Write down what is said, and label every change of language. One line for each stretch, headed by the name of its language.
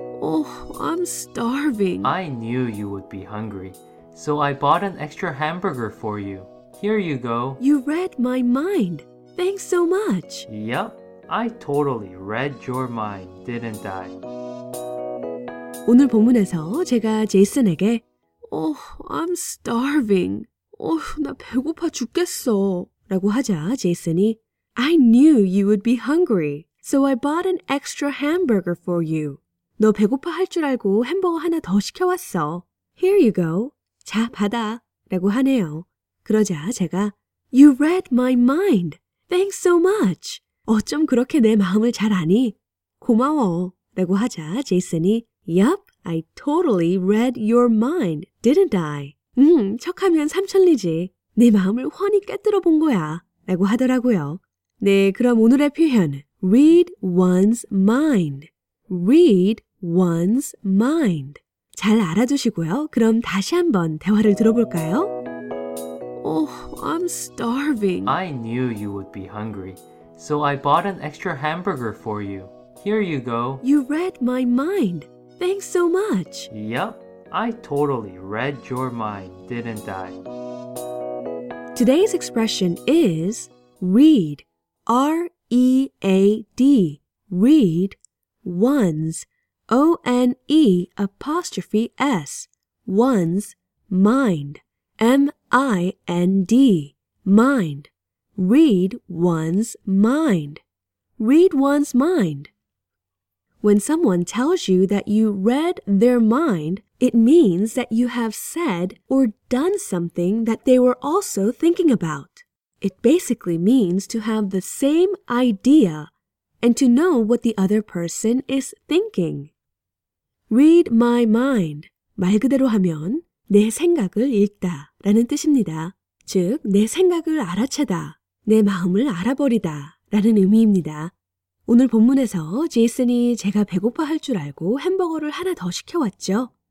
English: Oh, I'm starving. I knew you would be hungry, so I bought an extra hamburger for you. Here you go. You read my mind. Thanks so much. Yep, I totally read your mind, didn't I?
Korean: 오늘 본문에서 제가 제이슨에게
English: Oh, I'm starving. Oh,
Korean: 나 배고파 죽겠어. 라고 하자 제이슨이
English: I knew you would be hungry, so I bought an extra hamburger for you.
Korean: 너 배고파 할 줄 알고 햄버거 하나 더 시켜왔어.
English: Here you go.
Korean: 자, 받아. 라고 하네요. 그러자 제가
English: You read my mind. Thanks so much.
Korean: 어쩜 그렇게 내 마음을 잘 아니? 고마워. 라고 하자 제이슨이
English: Yup, I totally read your mind, didn't I?
Korean: 척하면 삼천리지. 내 마음을 훤히 꿰뚫어 본 거야. 라고 하더라고요. 네, 그럼 오늘의 표현. Read one's mind.
English: Read one's mind.
Korean: 잘 알아두시고요. 그럼 다시 한번 대화를 들어볼까요?
English: Oh, I'm starving. I knew you would be hungry, so I bought an extra hamburger for you. Here you go. You read my mind. Thanks so much. Yep, I totally read your mind, didn't I? Today's expression is read, R-E-A-D, read, one's, O-N-E apostrophe S, one's, mind, M-I-N-D, mind, read one's mind, read one's mind. When someone tells you that you read their mind, it means that you have said or done something that they were also thinking about. It basically means to have the same idea and to know what the other person is thinking. Read my mind.
Korean: 말 그대로 하면 내 생각을 읽다 라는 뜻입니다. 즉, 내 생각을 알아채다, 내 마음을 알아버리다 라는 의미입니다. 오늘 본문에서 제이슨이 제가 배고파 할 줄 알고 햄버거를 하나 더 시켜왔죠.